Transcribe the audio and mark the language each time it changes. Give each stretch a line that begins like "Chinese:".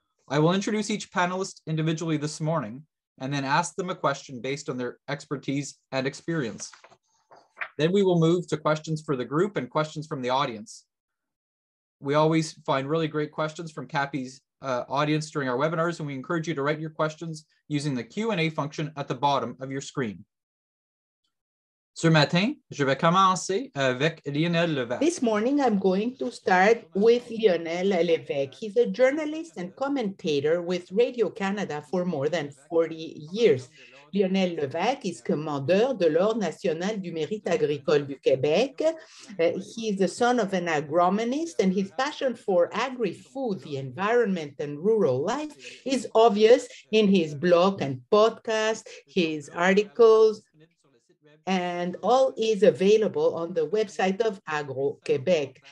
English: I will introduce each panelist individually this morning and then ask them a question based on their expertise and experience. Then we will move to questions for the group and questions from the audience. We always find really great questions from CAPI's audience during our webinars, and we encourage you to write your questions using the Q&A function at the bottom of your screen.
French: Ce matin, je vais commencer avec Lionel Levac.
English: This morning, I'm going to start with Lionel Levac. He's a journalist and commentator with Radio Canada for more than 40 years. Lionel Levac is
French: commandeur de l'Ordre national du mérite agricole du Québec.
English: He is the son of an agronomist, and his passion for agri-food, the environment, and rural life is obvious in his blog and podcast, his articles, and all is available on the website of Agro-Québec.